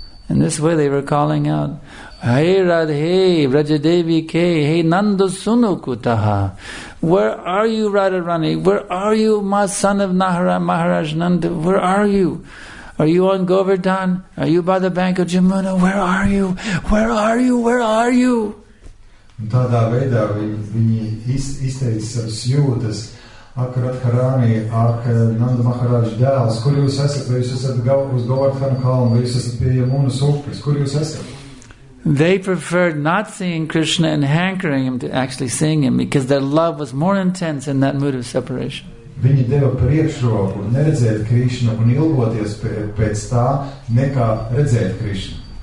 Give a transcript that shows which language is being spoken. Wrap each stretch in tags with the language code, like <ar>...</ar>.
<en>In this way they were calling out,</en> <sa>Hey Radhe Vraja Devi Ke Hey Nanda Sunokutaha.</sa> <en>Where are you, Radharani? Where are you, my son of Nahara, Maharaj Nanda? Where are you? Are you on Govardhan? Are you by the bank of Jamuna? Where are you? Where are you? Where are you?</en> <lv>Tādā veidā viņi izteica savas jūtas. Ak, Radharani, ak, Nanda Maharaj dēls, kur jūs esat? Vai jūs esat uz Govardhan kalnu? Vai jūs esat pie Jamunas upes? Kur jūs esat?</lv> <en>They preferred not seeing Krishna and hankering him to actually seeing him because their love was more intense in that mood of separation.</en> <lv>Viņi deva priekšroku neredzēt Krishna un ilgoties pēc tā, nekā redzēt Krishna.</lv>